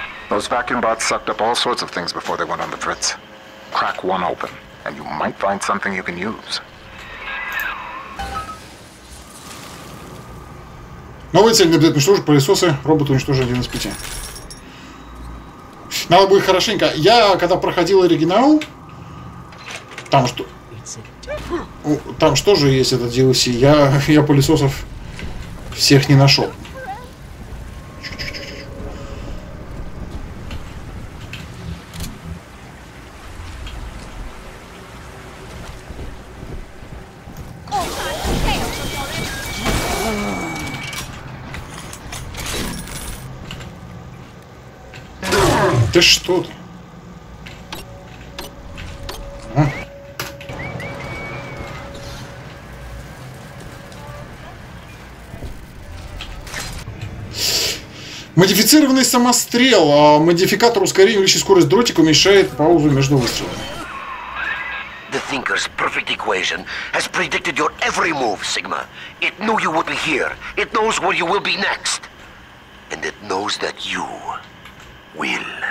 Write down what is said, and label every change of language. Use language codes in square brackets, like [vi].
[en] Those vacuum bots sucked up all sorts of things before they went on the fritz. Crack one open, and you might find something you can use. [ru] Новые цели набитые уничтожить пылесосы, роботы уничтожили 1 из 5. Надо будет хорошенько. Я когда проходил оригинал, там что. Там что же есть этот DLC? Я пылесосов всех не нашел. Да что ты? Модифицированный самострел. Модификатор ускорения увеличит скорость дротика, уменьшает паузу между выстрелами. [en] The Thinker's perfect equation has predicted your every move, Sigma. It knew you would be here. It knows where you will be next. And it knows that you will.